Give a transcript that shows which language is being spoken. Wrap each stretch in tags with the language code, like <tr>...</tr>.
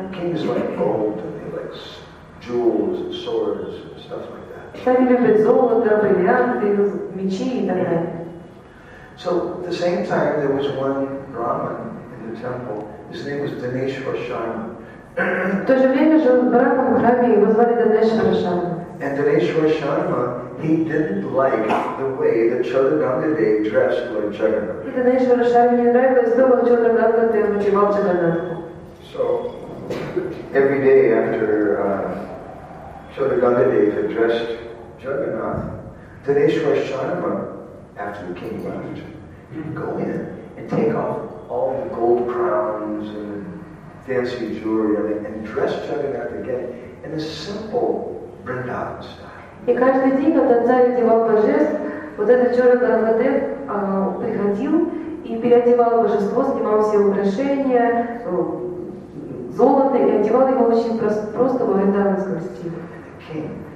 <en>Kings like gold, and they like jewels and swords and stuff like that.</en> <ru>Цари любят золото, бриллианты, мечи и так далее.</ru> <en>So at the same time there was one Brahmin in the temple. His name was Dhaneshwar Sharma.</en> <ru>В то же время же Брахман в храме его звали Дханешвар Шарма.</ru> <en>And Dhaneshwar Sharma, he didn't like the way that Chodadangadev dressed Lord Jagannath. So every day after Chodadangadev had dressed Jagannath, Dhaneshwar Sharma, after the king left, he would go in and take off all the gold crowns and fancy jewelry and dress Jagannath again in a simple Vrindavan style.</en> <ru>И каждый день, когда царь одевал божеств, вот этот Чодадангадев приходил и переодевал божество, снимал все украшения, золото, и одевал его очень просто в вриндаванском стиле.</ru>